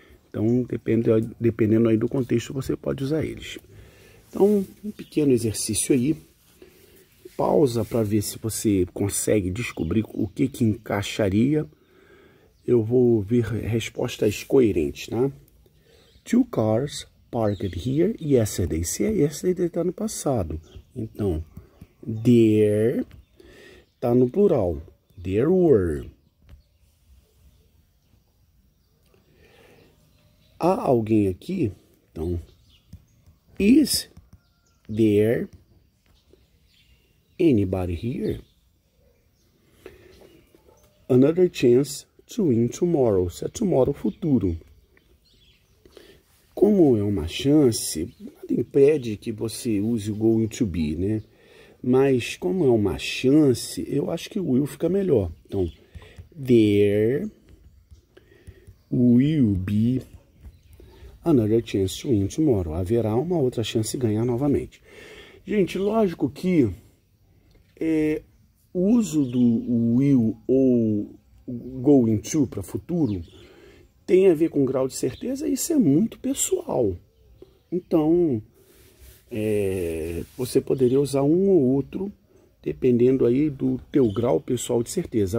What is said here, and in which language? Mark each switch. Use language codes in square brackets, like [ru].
[pt] Então, dependendo aí do contexto, você pode usar eles. Então, um pequeno exercício aí. Pausa para ver se você consegue descobrir o que encaixaria. Eu vou ver respostas coerentes, tá? [en] Two cars parked here yesterday. [pt] Se é yesterday, está no passado. Então, there está no plural. [en] There were. [pt] Há alguém aqui? Então, [en] is there anybody here? Another chance to in tomorrow, [pt] se é tomorrow futuro. Como é uma chance, nada impede que você use o [en] going to be, [pt] né? Mas como é uma chance, eu acho que o will fica melhor. Então, [en] there will be another chance to win tomorrow. [pt] Haverá uma outra chance de ganhar novamente. Gente, lógico que o uso do will ou going to para futuro tem a ver com grau de certeza, isso é muito pessoal. Então, você poderia usar um ou outro, dependendo aí do teu grau pessoal de certeza.